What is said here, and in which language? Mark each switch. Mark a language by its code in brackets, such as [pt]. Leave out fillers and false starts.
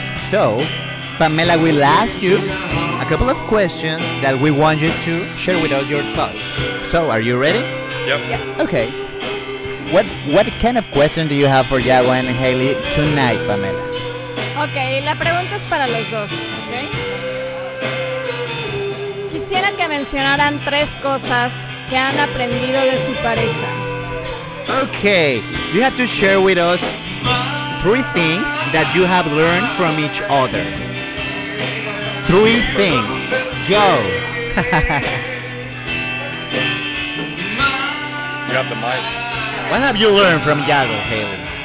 [en] So, Pamela will ask you a couple of questions that we want you to share with us your thoughts. So, are you ready? Yep. Yes. Okay. What kind of question do you have for Yago and Hailey tonight, Pamela? [es] Okay, la pregunta es para los dos, okay? Quisiera que mencionaran tres cosas que han aprendido de su pareja. [en] Okay, you have to share with us three things that you have learned from each other. Three things. Go. You got the mic. What have you learned from Yago, Hailey?